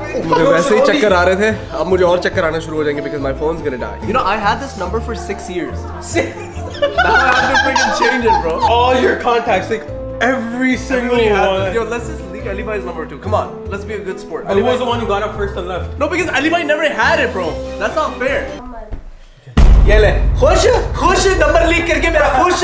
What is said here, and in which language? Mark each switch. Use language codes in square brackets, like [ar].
[hi] मुझे वैसे ही चक्कर आ रहे थे अब मुझे और चक्कर आने शुरू हो जाएंगे [en] because my phone's gonna die. You know, I had this number for 6 years. Now I have to freaking change it, bro. All your contacts, like every single one. Yo, let's just leak Alibai's number too. Come on, let's be a good sport. Alibai was the one who got up first and left. No, because Alibai never had it, bro. That's not fair. [hi] ये ले. खुश, खुश number leak करके मेरा खुश.